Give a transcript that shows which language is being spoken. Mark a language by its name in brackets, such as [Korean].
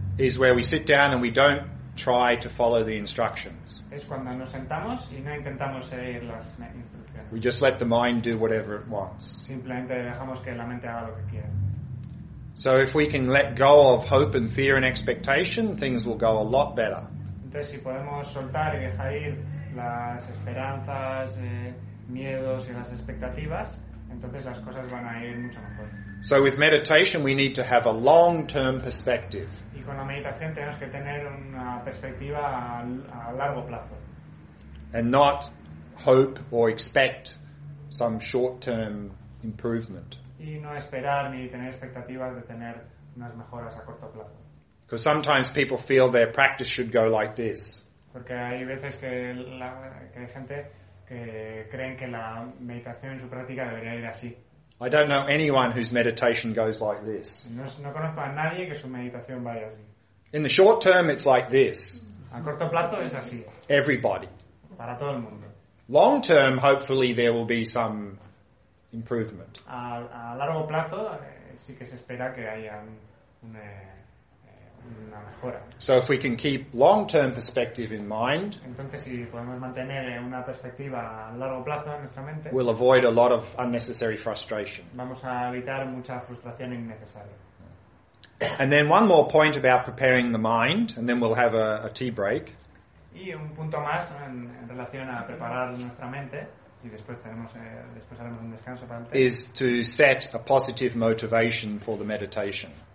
[English] Is where we sit down and we don't try to follow the instructions. [Spanish] Es cuando nos sentamos y no intentamos seguir las instrucciones. [English] We just let the mind do whatever it wants. [Spanish] Simplemente dejamos que la mente haga lo que quiera. [English] So if we can let go of hope and fear and expectation, things will go a lot better. [Spanish] Entonces, si podemos soltar y dejar ir las esperanzas, miedos y las expectativas, entonces las cosas van a ir mucho mejor. [English] So with meditation we need to have a long-term perspective. [Spanish] Y con la meditación tenemos que tener una perspectiva a largo plazo. [English] And not hope or expect some short-term improvement. [Spanish] Y no esperar ni tener expectativas de tener unas mejoras a corto plazo. [English] Because sometimes people feel their practice should go like this. [Spanish] Porque hay veces que hay gente que creen que la meditación en su práctica debería ir así. [English] I don't know anyone whose meditation goes like this. [Spanish] No conozco a nadie que su meditación vaya así. [English] In the short term, it's like this. [Spanish] A corto plazo es así. [English] Everybody. [Spanish] Para todo el mundo. [English] Long term, hopefully there will be some improvement. [Spanish] A largo plazo, sí que se espera que haya una mejora. [English] So if we can keep long term perspective in mind, [Spanish] entonces si podemos mantener una perspectiva a largo plazo en nuestra mente, [English] we'll avoid a lot of unnecessary frustration. [Spanish] Vamos a evitar mucha frustración innecesaria. [English] And then one more point about preparing the mind, and then we'll have a tea break. [Spanish] Y un punto más en relación a preparar nuestra mente, y después haremos un descanso para el té. [English] Is to set a positive motivation for the meditation.